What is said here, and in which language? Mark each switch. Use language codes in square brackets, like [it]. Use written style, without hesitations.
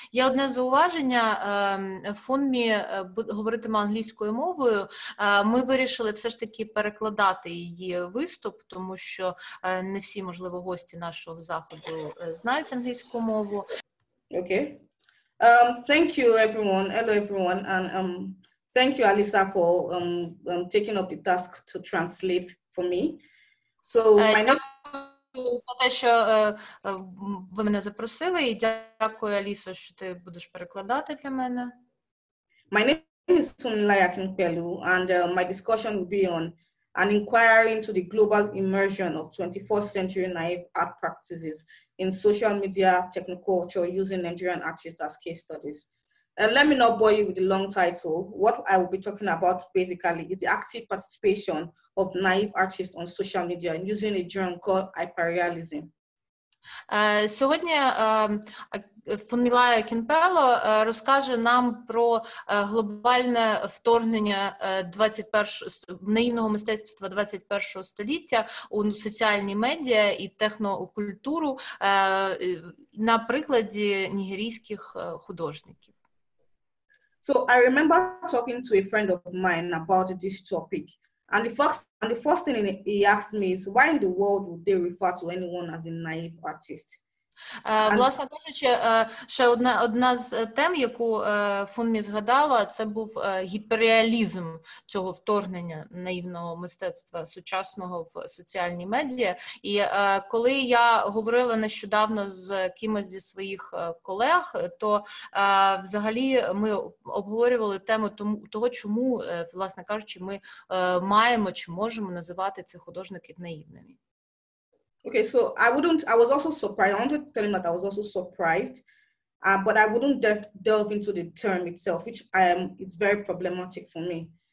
[uk] Є одне зауваження, Фунмі говоритиме англійською мовою, ми вирішили все ж таки перекладати її виступ, тому що не всі, можливо, гості нашого заходу знають англійську мову. [en] Okay. Thank you, everyone. Hello, everyone. And thank you, Alisa, for taking up the task to translate for me. [uk] So, за те, що ви мене запросили, і дякую, Аліса, що ти будеш перекладати для мене. [en] My name is Fumilayo Akinpelu, and my discussion will be on an inquiry into the global immersion of 21st century naive art practices in social media, technoculture, using Nigerian artists as case studies. Let me not bore you with the long title. What I will be talking about basically is the active participation of naive artists on social media using a term called hyperrealism. [uk] Сьогодні Фунмілайо Акінпело розкаже нам про глобальне вторгнення 21-го наївного мистецтва 21-го століття у соціальні медіа і технокультуру на прикладі нігерійських художників. [en] So I remember talking to a friend of mine about this topic. And the first thing he asked me is, why in the world would they refer to anyone as a naive artist? [uk] Власне кажучи, ще одна з тем, яку Фунмі згадала, це був гіперреалізм цього вторгнення наївного мистецтва сучасного в соціальні медіа. І коли я говорила нещодавно з кимось зі своїх колег, то взагалі ми обговорювали тему того, чому, власне кажучи, ми маємо чи можемо називати цих художників наївними. [en] Okay, so I was also surprised. I wanted to tell him that I was also surprised. But I wouldn't delve into the term itself, which it's very problematic for me.